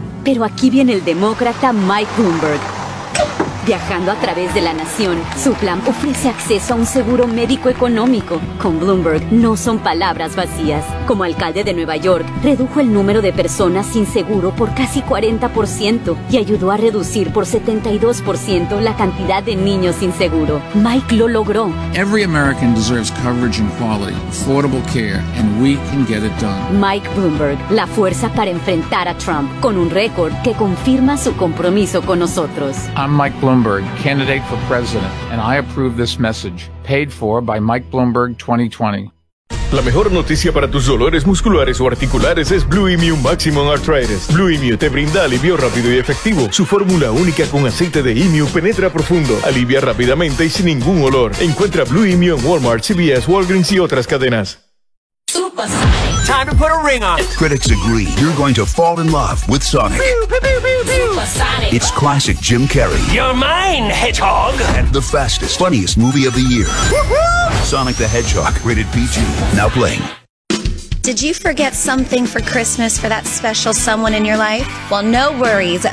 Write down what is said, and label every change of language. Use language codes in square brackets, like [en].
[es] Pero aquí viene el demócrata Mike Bloomberg. Viajando a través de la nación, su plan ofrece acceso a un seguro médico económico. Con Bloomberg no son palabras vacías. Como alcalde de Nueva York, redujo el número de personas sin seguro por casi 40% y ayudó a reducir por 72% la cantidad de niños sin seguro. Mike lo logró. [en] Every American deserves coverage and quality, affordable care, and we can get it done. [es] Mike Bloomberg, la fuerza para enfrentar a Trump, con un récord que confirma su compromiso con nosotros. [en] I'm Mike Bloomberg, candidate for president, and I approve this message, paid for by Mike Bloomberg 2020. [es] La mejor noticia para tus dolores musculares o articulares es Blue Immune Maximum Arthritis. Blue Immune te brinda alivio rápido y efectivo. Su fórmula única con aceite de Immune penetra profundo, alivia rápidamente y sin ningún olor. Encuentra Blue Immune en Walmart, CVS, Walgreens y otras cadenas. [en] Time to put a ring on it. Critics agree you're going to fall in love with Sonic. Pew, pew, pew, pew, pew. Sonic. It's classic Jim Carrey. You're mine, Hedgehog. And the fastest, funniest movie of the year. Woo-hoo! Sonic the Hedgehog, rated PG. Now playing. Did you forget something for Christmas for that special someone in your life? Well, no worries.